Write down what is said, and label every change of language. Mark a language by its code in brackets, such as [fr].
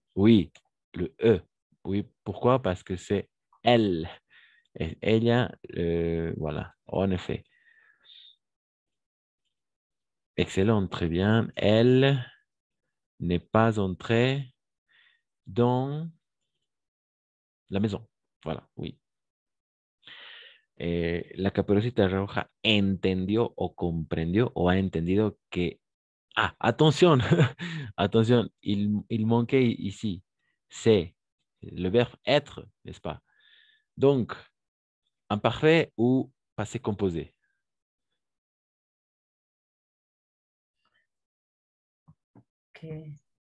[fr] Oui, le E. Oui, pourquoi? Parce que c'est elle. Elia, voilà, en effet. Excellent, très bien. Elle n'est pas entrée dans la maison. Voilà, oui. [es] La caperucita roja entendió o comprendió o ha entendido que... [fr] Ah, attention, attention, il manquait ici. C'est le verbe être, n'est-ce pas? Donc, imparfait ou passé composé? Okay.